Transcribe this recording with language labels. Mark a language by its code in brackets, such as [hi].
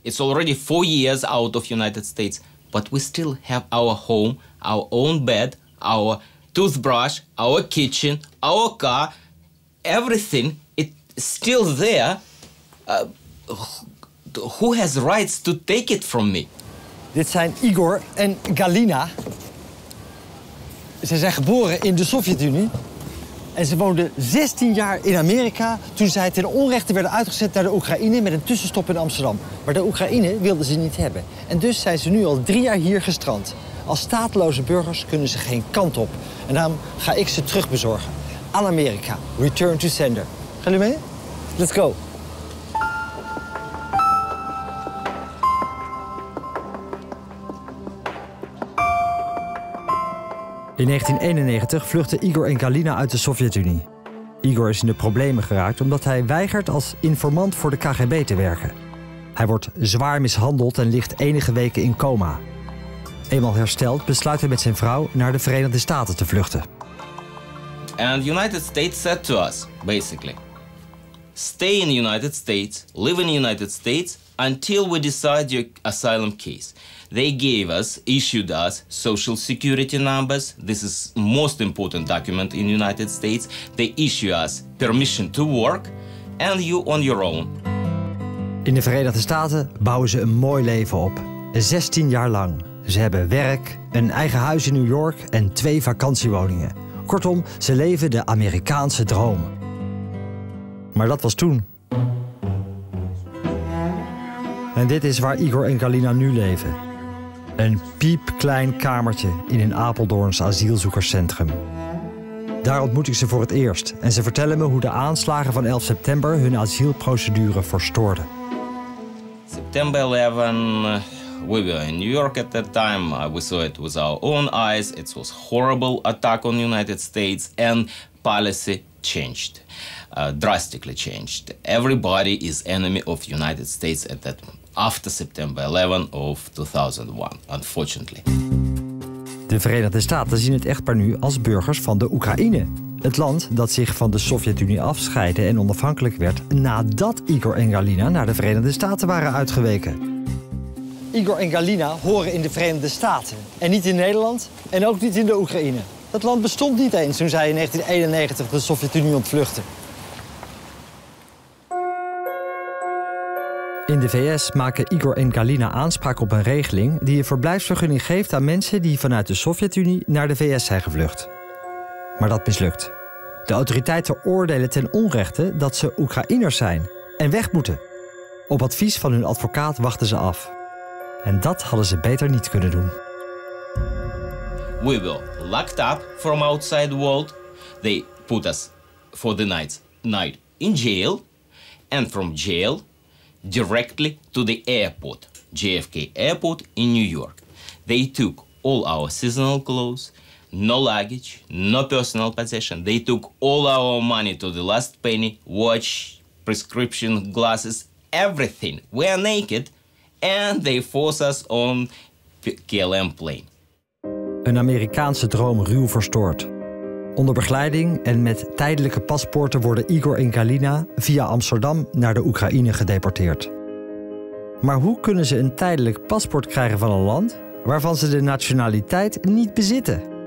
[en] It's already 4 years out of United States, but we still have our home, our own bed, our toothbrush, our kitchen, our car, everything. It's still there. Who has rights to take it from me? [nl] Dit zijn Igor en Galina. Ze zijn geboren in de Sovjet-Unie. En ze woonden 16 jaar in Amerika toen zij ten onrechte werden uitgezet naar de Oekraïne met een tussenstop in Amsterdam. Maar de Oekraïne wilden ze niet hebben. En dus zijn ze nu al 3 jaar hier gestrand. Als stateloze burgers kunnen ze geen kant op. En daarom ga ik ze terugbezorgen. Aan Amerika. [en] Return to sender. [nl] Gaan jullie mee? [en] Let's go. [nl] In 1991 vluchten Igor en Galina uit de Sovjet-Unie. Igor is in de problemen geraakt omdat hij weigert als informant voor de KGB te werken. Hij wordt zwaar mishandeld en ligt enige weken in coma. Eenmaal hersteld besluit hij met zijn vrouw naar de Verenigde Staten te vluchten. [en] And the United States said to us, basically, stay in the United States, live in the United States until we decide your asylum case. They gave us, issued us, social security numbers. This is most important document in the United States. They issue us permission to work and you on your own. [nl] In de Verenigde Staten bouwen ze een mooi leven op. 16 jaar lang. Ze hebben werk, een eigen huis in New York en 2 vakantiewoningen. Kortom, ze leven de Amerikaanse droom. Maar dat was toen. En dit is waar Igor en Galina nu leven. Een piepklein kamertje in een Apeldoorns asielzoekerscentrum. Daar ontmoet ik ze voor het eerst. En ze vertellen me hoe de aanslagen van 11 september hun asielprocedure verstoorden. [en] September 11, we were in New York at that time. We saw it with our own eyes. It was a horrible attack on the United States. And policy changed. Drastically changed. Everybody is enemy of the United States at that moment. After September 11 of 2001, unfortunately. [nl] De Verenigde Staten zien het echtpaar nu als burgers van de Oekraïne. Het land dat zich van de Sovjet-Unie afscheidde en onafhankelijk werd nadat Igor en Galina naar de Verenigde Staten waren uitgeweken. Igor en Galina horen in de Verenigde Staten en niet in Nederland en ook niet in de Oekraïne. Dat land bestond niet eens toen zij in 1991 de Sovjet-Unie ontvluchtten. In de VS maken Igor en Galina aanspraak op een regeling die een verblijfsvergunning geeft aan mensen die vanuit de Sovjet-Unie naar de VS zijn gevlucht. Maar dat mislukt. De autoriteiten oordelen ten onrechte dat ze Oekraïners zijn en weg moeten. Op advies van hun advocaat wachten ze af. En dat hadden ze beter niet kunnen doen. [en] We were locked up from outside world. They put us for the night in jail. And from jail directly to the airport, JFK Airport in New York. They took all our seasonal clothes, no luggage, no personal possession. They took all our money to the last penny, watch, prescription, glasses, everything. We are naked and they force us on KLM plane. [nl] Een Amerikaanse droom ruw verstoord. Onder begeleiding en met tijdelijke paspoorten worden Igor en Galina via Amsterdam naar de Oekraïne gedeporteerd. Maar hoe kunnen ze een tijdelijk paspoort krijgen van een land waarvan ze de nationaliteit niet bezitten?